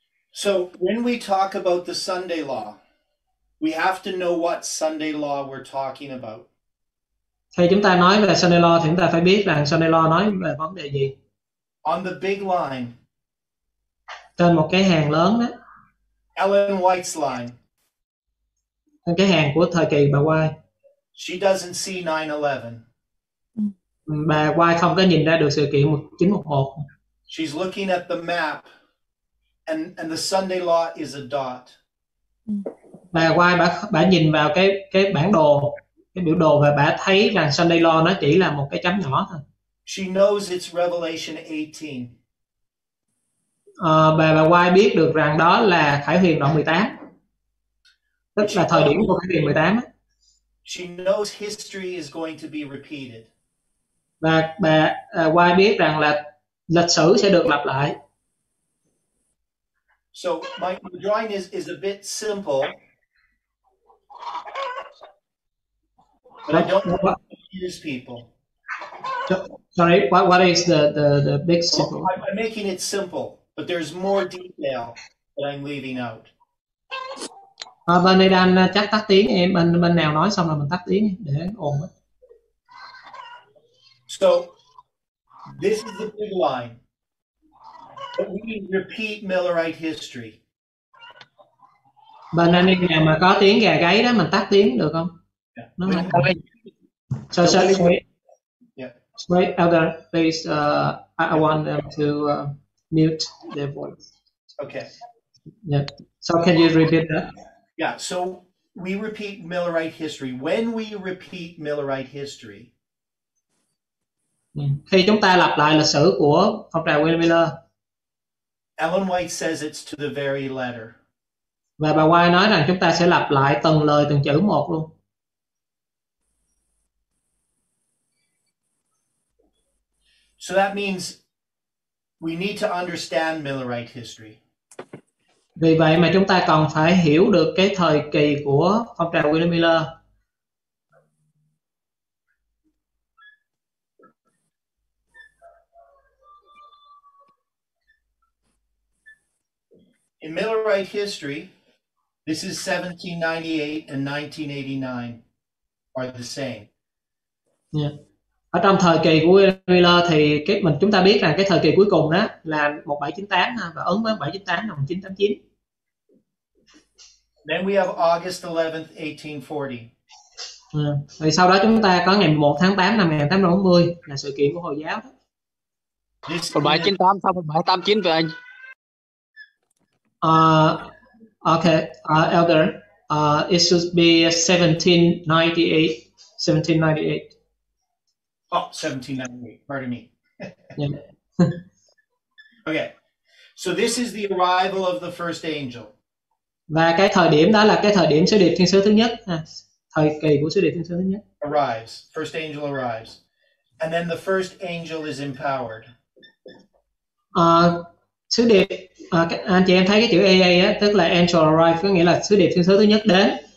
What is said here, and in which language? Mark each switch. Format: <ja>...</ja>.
<en>So when we talk about the Sunday Law, we have to know what Sunday Law we're talking about.</en> <vi>Thì chúng ta nói về Sunday Law thì chúng ta phải biết rằng Sunday Law nói về vấn đề gì.</vi> <en>On the big line.</en> <vi>Trên một cái hàng lớn đó.</vi> <en>Ellen White's line.</en> <vi>Trên cái hàng của thời kỳ bà White.</vi> <en>She doesn't see 9/11.</en> <vi>Bà White không có nhìn ra được sự kiện 911.</vi> <en>She's looking at the map and the Sunday Law is a dot.</en> <vi>Bà White bà nhìn vào cái bản đồ, cái biểu đồ và bà thấy rằng Sunday Law nó chỉ là một cái chấm nhỏ thôi.</vi> <en>She knows it's Revelation 18.</en> <vi>Bà White biết được rằng đó là Khải Huyền đoạn 18. Tức là thời điểm của Khải Huyền 18 á.</vi> <en>She knows history is going to be repeated.</en> <vi>Bà White biết rằng là lịch sử sẽ được lặp lại.</vi> <en>So my drawing is a bit simple. But I don't know what to use people. Sorry, what is the big simple? I'm making it simple, but there's more detail that I'm leaving out.</en> <vi>bên đây đang chắc tắt tiếng em, bên nào nói xong rồi mình tắt tiếng để ổn.</vi> <en>So this is the big line. But we can repeat Millerite history.</en> <vi>Bên anh em mà có tiếng gà gáy đó mình tắt tiếng được không?</vi> <en>Yeah.</en> <vi>Nó không.</vi> <en>So sorry. Yeah. Wait, Elder, please. I want them to mute their voice. Okay. Yeah. So can you repeat that? Yeah. So we repeat Millerite history. When we repeat Millerite history.</en> <vi>Khi chúng ta lặp lại lịch sử của học trò William Miller.</vi> <en>Ellen White says it's to the very letter.</en> <vi>Và bà White nói rằng chúng ta sẽ lặp lại từng lời từng chữ một luôn.</vi> <en>So that means we need to understand Millerite history.</en> <vi>Vì vậy mà chúng ta cần phải hiểu được cái thời kỳ của phong trào William Miller.</vi> <en>In Millerite history, this is 1798 and 1989 are the same. Yeah.</en> <vi>Ở trong thời kỳ của William Miller thì cái mình chúng ta biết rằng cái thời kỳ cuối cùng đó là 1798 và ứng với 1798 là 1989.</vi> <en>Then we have August 11th, 1840.</en> <vi>Rồi sau đó chúng ta có ngày 1 tháng 8 năm 1840 là sự kiện của Hồi giáo. 1798 sau 1789 về anh.</vi> <en>Okay, Elder, it should be 1798. Oh, 1798, pardon me. Yeah. Okay, so this is the arrival of the first angel.</en> <vi>Và cái thời điểm đó là cái thời điểm sứ điệp thiên sứ thứ nhất. Thời kỳ của sứ điệp thiên sứ thứ nhất.</vi> <en>Arrives, first angel arrives. And then the first angel is empowered.</en> <vi>Sứ điệp, anh chị em thấy cái chữ AA á, tức là</vi> <en>angel arrive</en> <vi>có nghĩa là sứ điệp thiên sứ thứ nhất đến.</vi>